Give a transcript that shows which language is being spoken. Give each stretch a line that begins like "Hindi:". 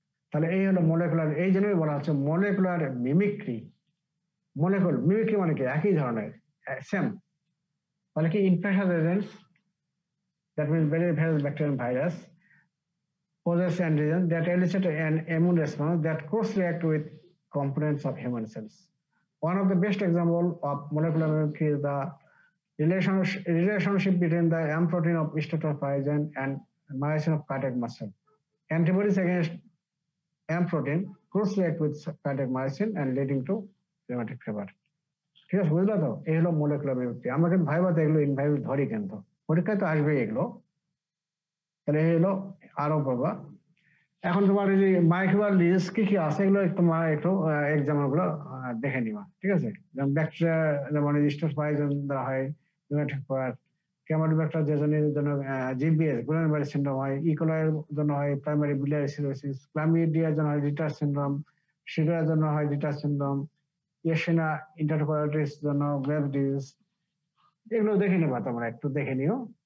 Bangla: তাহলে এই হলো মলেকুলার, এই জন্যই বলা হচ্ছে মলেকুলার মিমিক্রি, মলেকুল মিমিক্রি মানে কি একই ধরনের সেম, তাহলে কি
English: Infection agents that mean various bacterial virus possess antigen that elicit an immune response that cross react with components of human cells. One of the best example of molecular mimicry is the relationship between the M protein of streptococcus pyogenes and myosin of cardiac muscle. Antibodies against M protein cross react with cardiac myosin and leading to rheumatic fever.
Bangla: ঠিক আছে, বুঝলা তো, এই হলো মলেকুলার mimicry. আমরা কিন্তু viva তো এগুলো ইনভাইভ ধরি, কিন্তু পরীক্ষায় তো আসবে এগুলো। তাহলে এই হলো আরো বাবা, এখন তোমার এই যে মাইক্রোবাল ডিজিজ কি কি আছে এগুলো তোমার একটু এক্সাম্পল গুলো দেখে নিবা, ঠিক আছে। যেমন ব্যাকটেরিয়া, যেমন স্টোর পাইজন দ্বারা হয়, রিউমাটিক ফিভার, ক্যামেল ব্যাকটেরিয়া যেজনের জন্য জিবিএস গ্রেন বডি সিন্ড্রোম হয়, ইকোলাইয়ের জন্য হয় প্রাইমারি বিলিয়ারি সিরোসিস, ক্লামিডিয়ার জন্য হয় ডিটার সিন্ড্রোম, শিগার জন্য হয় ডিটার সিন্ড্রোম, ইয়েশেনা ইন্টারকোলাইটিস জন্য গ্রেভ ডিজিজ, এগুলো দেখে নিবা তোমরা একটু দেখে নিও।